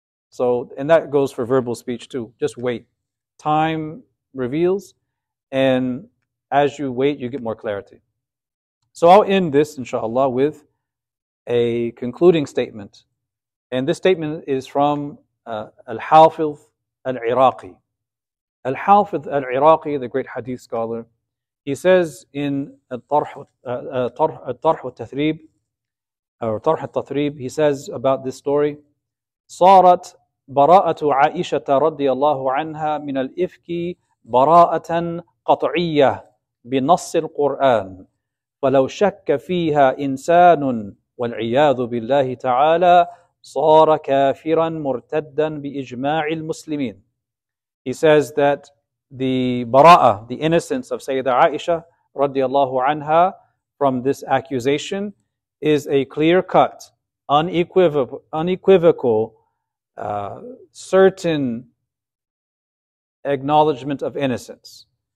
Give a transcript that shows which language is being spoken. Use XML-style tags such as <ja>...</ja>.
<en>So, and that goes for verbal speech too. Just wait. Time reveals, and as you wait, you get more clarity. So I'll end this, inshallah, with a concluding statement. And this statement is from Al-Hafidh Al-Iraqi. Al-Hafidh Al-Iraqi, the great hadith scholar, he says in Al-Tarh Al-Tathrib, or Tarh Al-Tathrib, he says about this story,</en> <ar>صارت براءة عائشة رضي الله عنها من الإفك براءة قطعية بنص القرآن فلو شك فيها إنسان والعياذ بالله تعالى صار كافرا مرتدا بإجماع المسلمين.</ar> <en>He says that the bara'ah, the innocence of Sayyida Aisha radiallahu anha from this accusation is a clear cut, unequivocal, certain acknowledgement of innocence.</en>